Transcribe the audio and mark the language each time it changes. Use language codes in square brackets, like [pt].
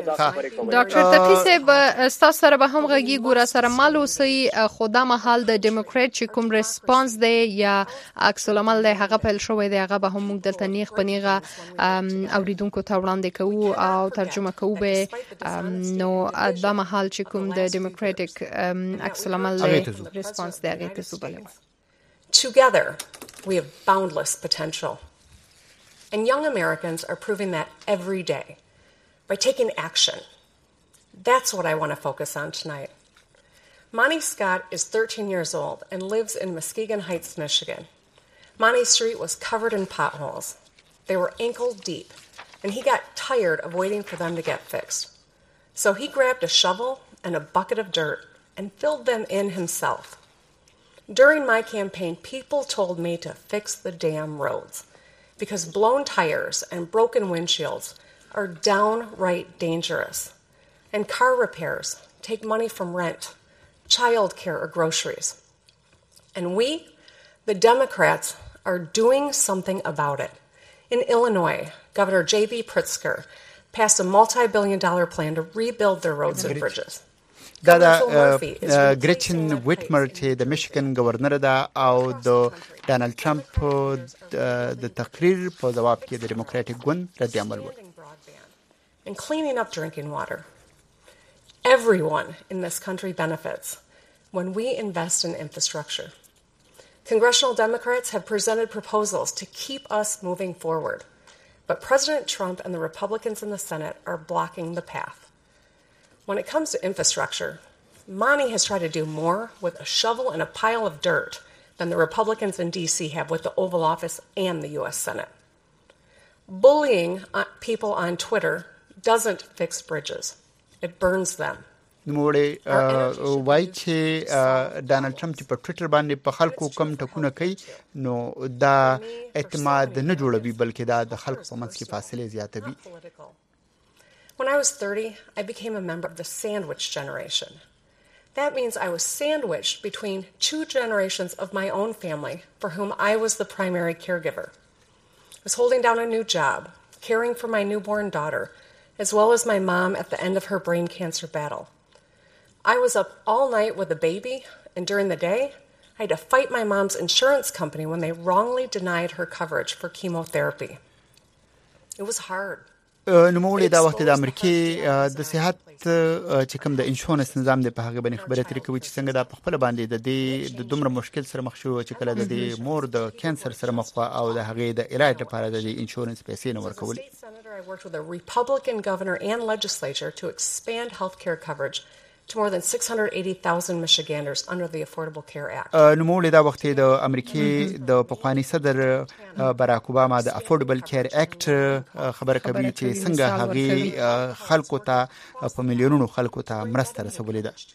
[ps] ډاکټر تقی صاحب ستاسو سره به هم غږیږو، را سره مال اوسئ، خو دا مهال د ډیموکرات چې کوم ریسپانس دی یا عکس العمل دی هغه پیل شوی دی، هغه به هم موږ دلته نیغ په نیغه اوریدونکو ته وړاندې کوو او ترجمه کوو به. نو دا مهال چې کوم د ډیموکراتیک عکس العمل دی ریسپانس دی هغه ته سوبلم. [en] Together we have boundless potential and young Americans are proving that every day by taking action. That's what I want to focus on tonight. Monty Scott is 13 years old and lives in Muskegon Heights, Michigan. Monty's street was covered in potholes. They were ankle deep, and he got tired of waiting for them to get fixed. So he grabbed a shovel and a bucket of dirt and filled them in himself. During my campaign, people told me to fix the damn roads because blown tires and broken windshields are downright dangerous. And car repairs take money from rent, child care, or groceries. And we, the Democrats, are doing something about it. In Illinois, Governor J.B. Pritzker passed a multi-billion dollar plan to rebuild their roads and bridges. [ps] دا د ګریچن ویټمر چې د میشیګن گورنر ده او د ډانل ټرمپ د تقریر په جواب کې د ډیموکراټیک ګوند رد عمل وکړ. [en] and cleaning up drinking water. Everyone in this country benefits when we invest in infrastructure. Congressional Democrats have presented proposals to keep us moving forward, but President Trump and the Republicans in the Senate are blocking the path. When it comes to infrastructure, Monty has tried to do more with a shovel and a pile of dirt than the Republicans in D.C. have with the Oval Office and the U.S. Senate. Bullying people on Twitter doesn't fix bridges. It burns them. [ps] نموړې وای چې ډانلډ ټرمپ په ټوئیټر باندې په خلکو کم ټکونه کوي، نو دا اعتماد نه جوړوي بلکې دا د خلکو په منځ کې فاصله زیاتوي. [en] When I was 30, I became a member of the sandwich generation. That means I was sandwiched between two generations of my own family for whom I was the primary caregiver. I was holding down a new job, caring for my newborn daughter, as well as my mom at the end of her brain cancer battle. I was up all night with a baby, and during the day, I had to fight my mom's insurance company when they wrongly denied her coverage for chemotherapy. It was hard. [ps] نوموړې دا وخت د امریکې د صحت چې کوم د انشورنس نظام د په هغه باندې خبرې ترې کوي چې څنګه دا په خپله باندې د دې د دومره مشکل سره مخ شو چې کله د دې مور د کینسر سره مخ وه او د هغې د علاج لپاره د دې انشورنس پیسې نه ورکولې. [en] Republican governor and legislature to expand health care coverage to more than 680,000 Michiganders under the Affordable Care Act. [ps] نوموړې دا وخت د امریکای د پخوانی صدر باراک اوباما د افوردبل کیر اکټ خبره کوي چې څنګه هغه خلکو ته په میلیونونو خلکو ته مرسته رسولې ده.